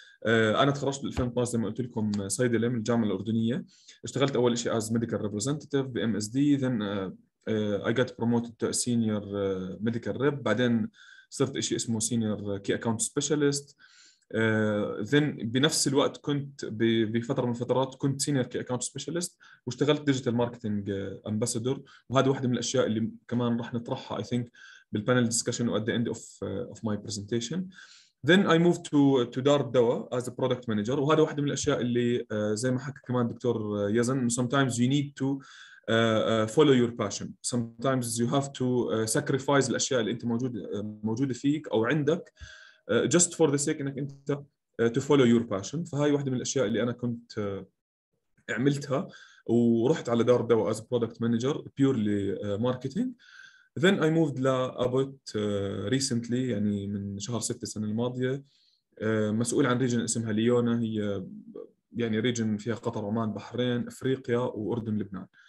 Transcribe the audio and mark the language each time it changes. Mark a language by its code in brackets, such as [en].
[ar] انا تخرجت بال 2012 زي ما قلت لكم صيدله من الجامعه الاردنيه، اشتغلت اول شيء [en] as medical representative [ar] بام اس دي، [en] then I got promoted to senior medical rep, [ar] بعدين صرت شيء اسمه سينيور كي اكاونت سبيشالست، ذن بنفس الوقت كنت بفتره من الفترات كنت سينيور كي اكاونت سبيشالست واشتغلت ديجيتال ماركتنج امباسادور، وهذا واحده من الاشياء اللي كمان راح نطرحها [en] I think [ar] بالبانل ديسكشن [en] What the end of my presentation. Then I moved to دار الدواء as a product manager، [ar] وهذا واحدة من الأشياء اللي زي ما حكى كمان دكتور يزن، [en] sometimes you need to follow your passion، sometimes you have to sacrifice [ar] الأشياء اللي أنت موجودة فيك أو عندك [en] just for the sake [ar] إنك أنت [en] to follow your passion. [ar] فهاي واحدة من الأشياء اللي أنا كنت عملتها ورحت على دار الدواء [en] as a product manager purely marketing. Then I moved to Abbott recently، [ar] يعني من شهر 6 السنة الماضية، مسؤول عن ريجن اسمها ليونا، هي يعني ريجن فيها قطر عمان بحرين أفريقيا وأردن لبنان.